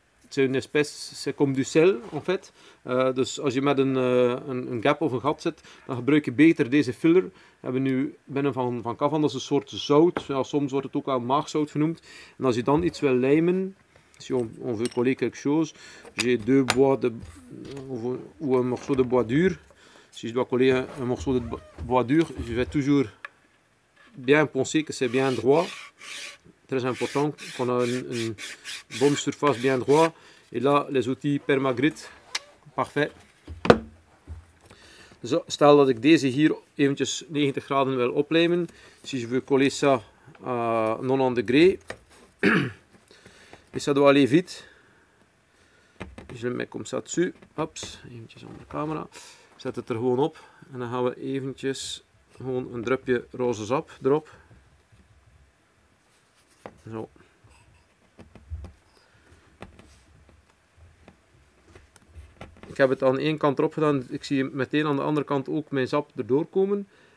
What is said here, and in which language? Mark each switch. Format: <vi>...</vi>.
<fr>C'est une espèce, c'est comme du sel en fait.</fr> <nl>Dus als je met een gap of een gat zit, dan gebruik je beter deze filler. We hebben nu binnen van Kavan, dat is een soort zout. Ja, soms wordt het ook wel maagzout genoemd. En als je dan iets wil lijmen,</nl> <fr>si on veut coller quelque chose, j'ai deux bois de.</fr> <nl>Of een</nl> <fr>morceau de bois dur. Si je dois coller un morceau de bois dur, je vais toujours bien penser que c'est bien droit. Très important qu'on a une bonne surface bien droit. Et là, les outils permagrit. Parfait.</fr> <nl>Zo, stel dat ik deze hier eventjes 90 graden wil oplijmen.</nl> <fr>Si je veux coller ça 90 degrés. Et ça doit aller vite. Je le mets comme ça dessus.</fr> <nl>Hops, eventjes onder de camera. Zet het er gewoon op. En dan gaan we eventjes gewoon een drupje roze zap erop. Zo. Ik heb het aan één kant erop gedaan. Ik zie meteen aan de andere kant ook mijn zap erdoor komen.</nl>